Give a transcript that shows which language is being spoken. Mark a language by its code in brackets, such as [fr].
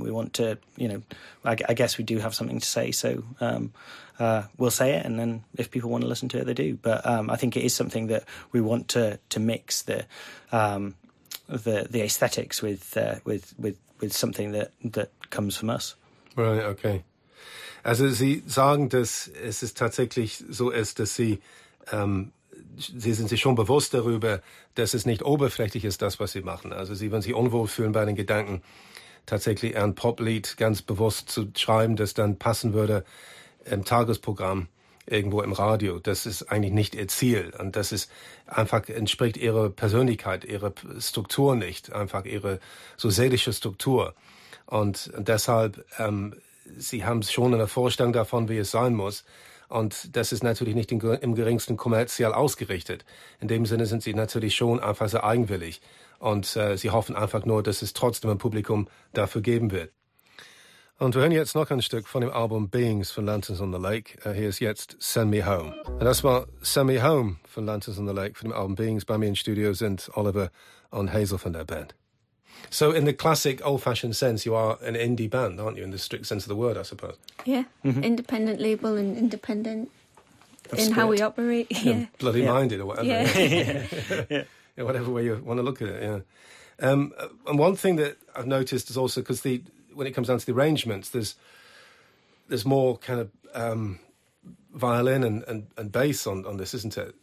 [en] We want to, you know, I guess we do have something to say, so we'll say it, and then if people want to listen to it, they do. But I think it is something that we want to mix the aesthetics with something that comes from us. Right, okay. [de] Also Sie sagen, dass es tatsächlich so ist, dass Sie, Sie sind sich schon bewusst darüber, dass es nicht oberflächlich ist, das, was Sie machen. Also Sie würden sich unwohl fühlen bei den Gedanken, tatsächlich ein Poplied ganz bewusst zu schreiben, das dann passen würde im Tagesprogramm irgendwo im Radio. Das ist eigentlich nicht Ihr Ziel. Und das ist einfach, entspricht Ihrer Persönlichkeit, Ihrer Struktur nicht. Einfach Ihre so seelische Struktur. Und deshalb, Sie haben schon eine Vorstellung davon, wie es sein muss. Und das ist natürlich nicht im geringsten kommerziell ausgerichtet. In dem Sinne sind Sie natürlich schon einfach sehr eigenwillig. Und Sie hoffen einfach nur, dass es trotzdem ein Publikum dafür geben wird. Und wir hören jetzt noch ein Stück von dem Album Beings von Lanterns on the Lake. Hier ist jetzt Send Me Home. Und das war Send Me Home von Lanterns on the Lake, von dem Album Beings. Bei mir im Studio sind Oliver und Hazel von der Band. [en] So in the classic old-fashioned sense, you are an indie band, aren't you, in the strict sense of the word, I suppose? Yeah, mm-hmm. Independent label and independent of in spirit. How we operate. Yeah. Bloody-minded or whatever. Yeah. Yeah, whatever way you want to look at it, yeah. And one thing that I've noticed is also, because when it comes down to the arrangements, there's more kind of violin and bass on this, isn't it?